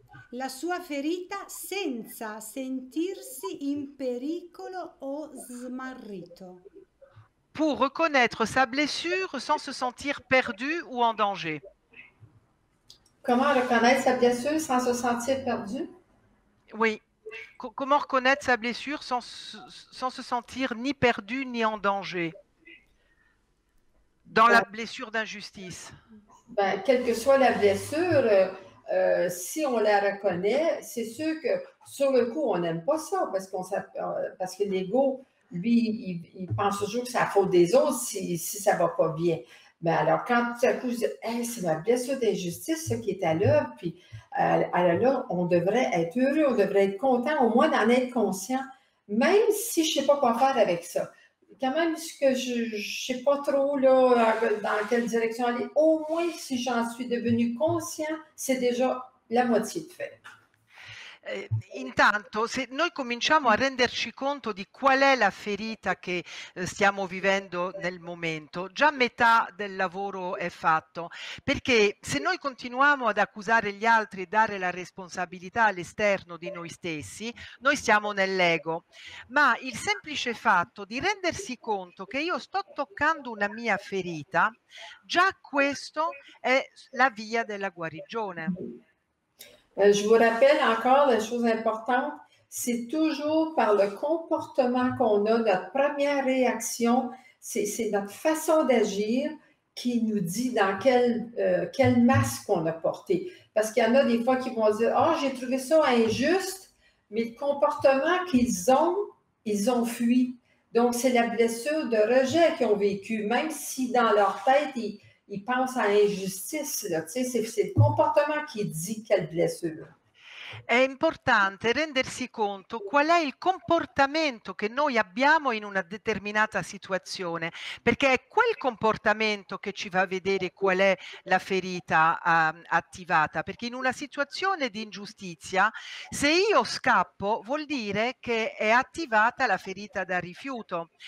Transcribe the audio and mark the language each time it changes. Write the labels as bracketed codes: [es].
[it] la sua ferita senza sentirsi in pericolo o smarrito. [fr] Pour reconnaître sa blessure sans se sentir perdu ou en danger. Comment reconnaître sa blessure sans se sentir perdu? Oui. Comment reconnaître sa blessure sans se sentir ni perdu ni en danger dans la blessure d'injustice? Ben, quelle que soit la blessure, si on la reconnaît, c'est sûr que sur le coup, on n'aime pas ça parce que l'ego, lui, il pense toujours que c'est la faute des autres si ça ne va pas bien. Mais alors, quand tout à coup, je dis, c'est ma blessure d'injustice ce qui est à l'œuvre, puis alors là, on devrait être heureux, on devrait être content, au moins d'en être conscient, même si je ne sais pas quoi faire avec ça. Quand même, ce que je ne sais pas trop là, dans quelle direction aller, au moins si j'en suis devenu conscient, c'est déjà la moitié de fait. [it] Intanto, se noi cominciamo a renderci conto di qual è la ferita che stiamo vivendo nel momento, già metà del lavoro è fatto, perché se noi continuiamo ad accusare gli altri e dare la responsabilità all'esterno di noi stessi, noi siamo nell'ego. Ma il semplice fatto di rendersi conto che io sto toccando una mia ferita, già questo è la via della guarigione. [fr] Je vous rappelle encore la chose importante, c'est toujours par le comportement qu'on a, notre première réaction, c'est notre façon d'agir qui nous dit dans quel masque on a porté. Parce qu'il y en a des fois qui vont dire « j'ai trouvé ça injuste », mais le comportement qu'ils ont, ils ont fui. Donc, c'est la blessure de rejet qu'ils ont vécu, même si dans leur tête, ils pensent à l'injustice, là. Tu sais, c'est le comportement qui dit quelle blessure. [it] È importante rendersi conto qual è il comportamento che noi abbiamo in una determinata situazione, perché è quel comportamento che ci fa vedere qual è la ferita attivata, perché in una situazione di ingiustizia, se io scappo vuol dire che è attivata la ferita da rifiuto.